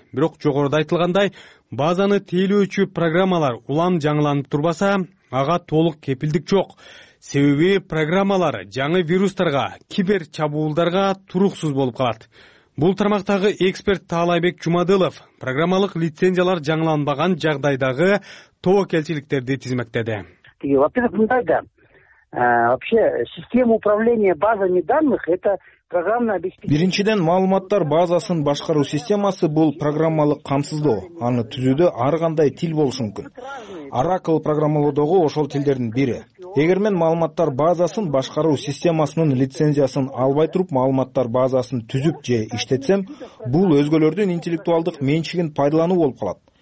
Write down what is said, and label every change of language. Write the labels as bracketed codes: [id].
[ky] Бирок жогоруда айтылгандай, базаны тейлөөчү программалар улам жаңыланып турбаса, ага толук кепилдик жок. Себеби программалар жаңы вирустарга, кибер чабуулдарга туруксуз болуп калат. Бул тармактагы эксперт Таалайбек Жумадылов программалык лицензиялар жаңыланбаган жагдайдагы тоокелчиликтерди тизмектеди. [ru] Во-первых, [ky] мындай да. [ru] Вообще система управления базами данных это программное обеспечение. [ky] Биринчиден маалыматтар базасын башкаруу системасы бул программалык камсыздоо. Аны түзүүдө ар кандай тил болушу мүмкүн. Оракл программалоодогу ошол тилдердин бири. Эгер мен маалыматтар базасын башкаруу системасынын лицензиясын албай туруп маалыматтар базасын түзүп же иштетсем, бул өзгөлөрдүн интеллектуалдык менчигин пайдалануу болуп калат.